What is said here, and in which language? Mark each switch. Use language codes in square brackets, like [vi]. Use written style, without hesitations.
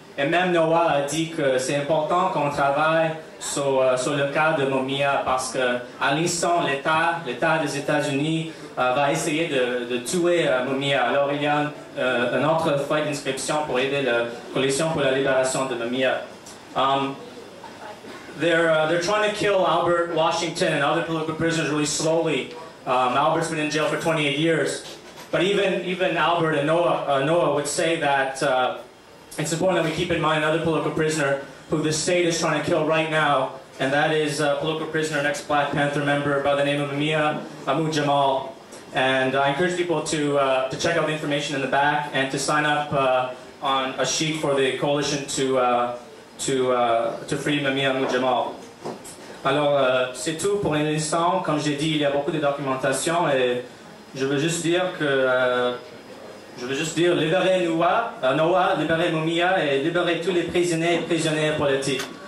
[fr] Et même Noah a dit que c'est important qu'on travaille sur le cas de Mamia parce qu'à l'instant, l'État des États-Unis va essayer de tuer Mamia. Alors, il y a un autre feuille d'inscription pour aider la Coalition pour la libération de Mamia. [en] They're trying to kill Albert Washington and other political prisoners really slowly. Albert's been in jail for 28 years. But even Albert and Noah would say that it's important that we keep in mind another political prisoner who the state is trying to kill right now, and that is a political prisoner and ex-Black Panther member by the name of Mamia Abu-Jamal. And I encourage people to check out the information in the back and to sign up on a sheet for the coalition to free Mamia Abu-Jamal. [fr] Alors, c'est tout pour l'instant. Comme j'ai dit, il y a beaucoup de documentation et je veux juste dire que libérez Noah, libérez Mamia et libérez tous les prisonniers et prisonnières politiques.